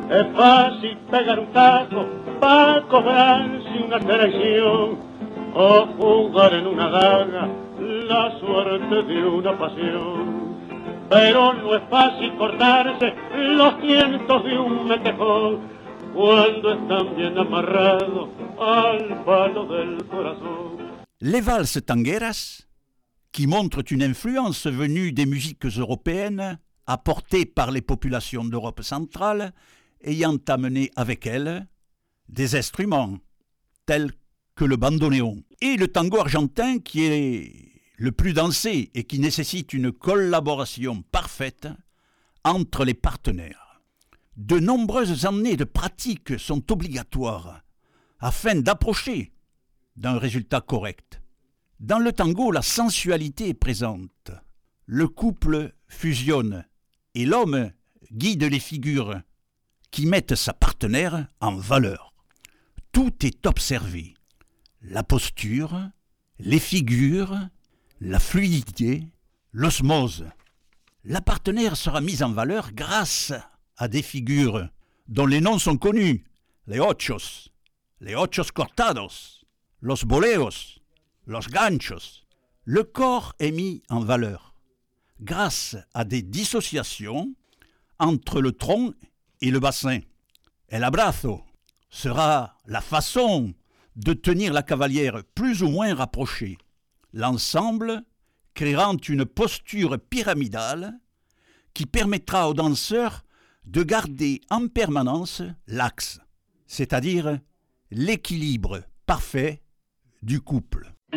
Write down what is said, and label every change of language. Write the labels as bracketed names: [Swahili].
[Spanish] Es fácil pegar un taco pa' cobrarse una traición o jugar en una daga la suerte de una pasión. Pero no es fácil cortarse los tientos de un metejón cuando están bien amarrados al palo del corazón. [French] Les valses tangueras, qui montrent une influence venue des musiques européennes apportées par les populations d'Europe centrale, ayant amené avec elles des instruments tels que le bandoneon. Et le tango argentin, qui est le plus dansé et qui nécessite une collaboration parfaite entre les partenaires. De nombreuses années de pratique sont obligatoires afin d'approcher d'un résultat correct. Dans le tango, la sensualité est présente. Le couple fusionne et l'homme guide les figures qui mettent sa partenaire en valeur. Tout est observé. La posture, les figures, la fluidité, l'osmose. La partenaire sera mise en valeur grâce à des figures dont les noms sont connus. Les ochos cortados, los boleos, los ganchos. Le corps est mis en valeur grâce à des dissociations entre le tronc et le bassin. El abrazo sera la façon de tenir la cavalière plus ou moins rapprochée, l'ensemble créant une posture pyramidale qui permettra au danseur de garder en permanence l'axe, c'est-à-dire l'équilibre parfait du couple.